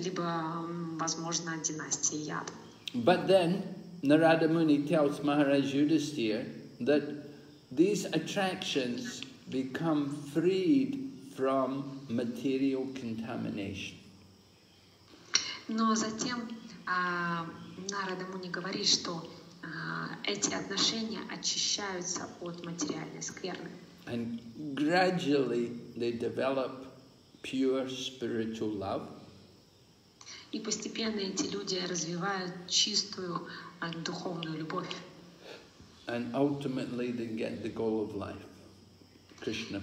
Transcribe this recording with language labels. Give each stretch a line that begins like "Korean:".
Russian: Либо, возможно, династия Яду.
English: But then Narada Muni tells Maharaj Yudhisthira that these attractions become freed from material contamination.
Russian: Но затем Нарада Муни говорит, что эти отношения очищаются от материальной скверны.
English: And gradually they develop pure spiritual love.
Russian: И постепенно эти люди развивают чистую духовную любовь.
English: And ultimately they get the goal of life, Krishna.